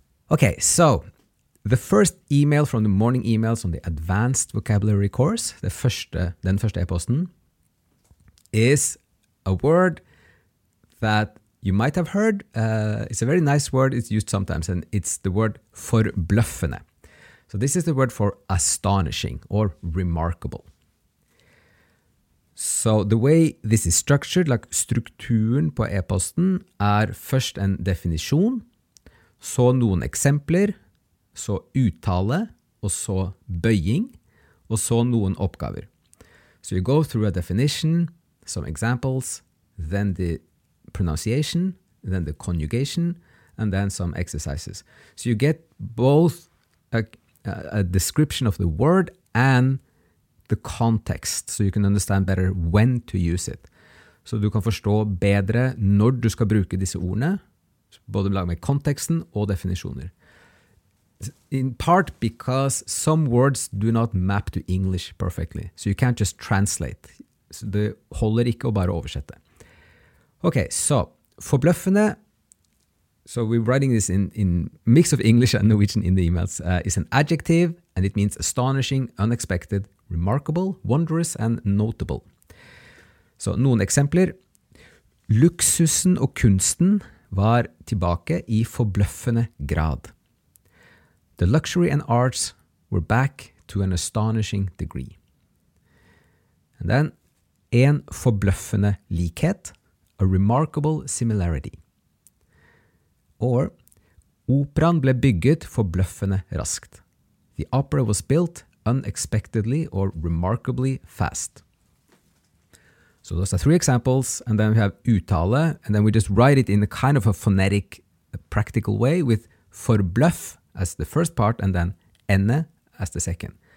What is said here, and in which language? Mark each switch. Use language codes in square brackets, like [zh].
[en] Okay, so the first email from the morning emails on the advanced vocabulary course, [no] den første e-posten, [en] is a word that you might have heard. It's a very nice word. It's used sometimes, and it's the word forbløffende. So this is the word for astonishing or remarkable. So the way this is structured, like [no] strukturen på e-posten, først en definisjon, så noen eksempler, så uttale, og så bøying, og så noen oppgaver. [en] So you go through a definition, some examples, then the pronunciation, then the conjugation, and then some exercises. So you get both a description of the word and the context, so you can understand better when to use it. [no] Så du kan forstå bedre når du skal bruke disse ordene, både lag med konteksten og definisjoner. [en] In part because some words do not map to English perfectly, so you can't just translate. [no] Så det holder ikke å bare oversette. [en] Okay, so forbløffende, so we're writing this in mix of English and Norwegian in the emails, is an adjective and it means astonishing, unexpected, remarkable, wondrous, and notable. [no] So noen eksempler. Luksusen og kunsten var tilbake I forbløffende grad. [en] The luxury and arts were back to an astonishing degree. And then [no] en forbløffende likhet. [en] A remarkable similarity. Or, [no] Operan ble bygget forbløffende raskt. [en] The opera was built unexpectedly or remarkably fast. So those are three examples, and then we have uttale, and then we just write it in a kind of a phonetic, a practical way with forbløff as the first part and then ene as the second.